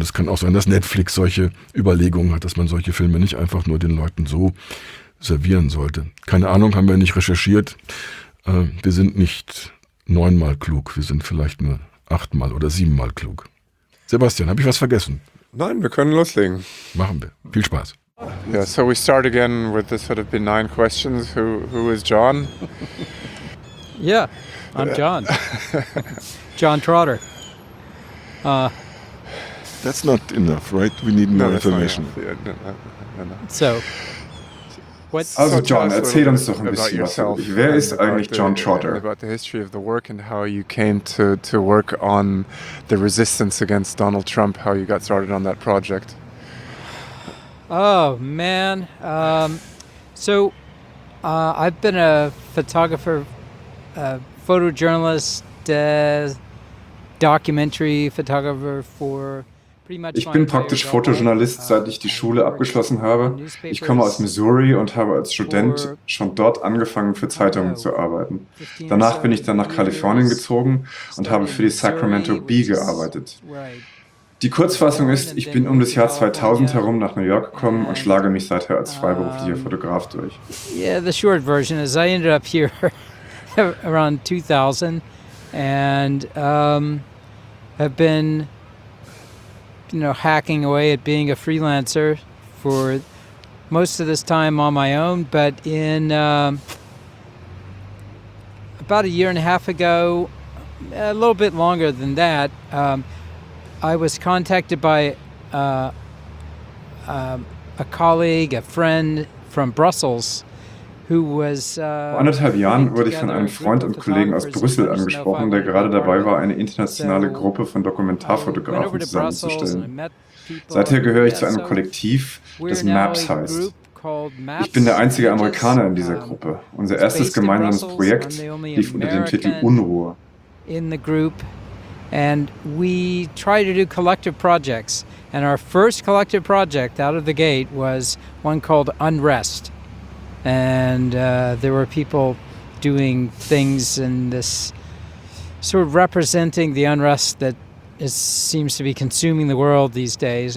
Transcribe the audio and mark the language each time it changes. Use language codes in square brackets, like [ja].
[de] Und es kann auch sein, dass Netflix solche Überlegungen hat, dass man solche Filme nicht einfach nur den Leuten so servieren sollte. Keine Ahnung, haben wir nicht recherchiert. Wir sind nicht 9-mal klug, wir sind vielleicht nur 8-mal oder 7-mal klug. Sebastian, habe ich was vergessen? Nein, wir können loslegen. Machen wir. Viel Spaß. [en] Yeah, so we start again with the sort of benign questions. Who is John? Yeah, I'm John. John Trotter. That's not enough, right? We need more information. No. So, what's... [de] Also John, erzähl uns doch ein bisschen was über dich. Wer ist eigentlich John Trotter? [en] About the history of the work and how you came to work on the resistance against Donald Trump, how you got started on that project. Oh, man. I've been a photographer, a photojournalist, documentary photographer for... [de] Ich bin praktisch Fotojournalist, seit ich die Schule abgeschlossen habe. Ich komme aus Missouri und habe als Student schon dort angefangen, für Zeitungen zu arbeiten. Danach bin ich dann nach Kalifornien gezogen und habe für die Sacramento Bee gearbeitet. Die Kurzfassung ist, ich bin um das Jahr 2000 herum nach New York gekommen und schlage mich seither als freiberuflicher Fotograf durch. [en] Yeah, the short version is I ended up here around 2000 and have been, you know, hacking away at being a freelancer for most of this time on my own. But in about a year and a half ago, a little bit longer than that, I was contacted by a colleague, a friend from Brussels. [de] Vor anderthalb Jahren wurde ich von einem Freund und Kollegen aus Brüssel angesprochen, der gerade dabei war, eine internationale Gruppe von Dokumentarfotografen zusammenzustellen. Seither gehöre ich zu einem Kollektiv, das MAPS heißt. Ich bin der einzige Amerikaner in dieser Gruppe. Unser erstes gemeinsames Projekt lief unter dem Titel Unruhe. [en] In the group, and we try to do collective projects. And our first collective project out of the gate was one called Unrest. And there were people doing things in this sort of representing the unrest that is, seems to be consuming the world these days.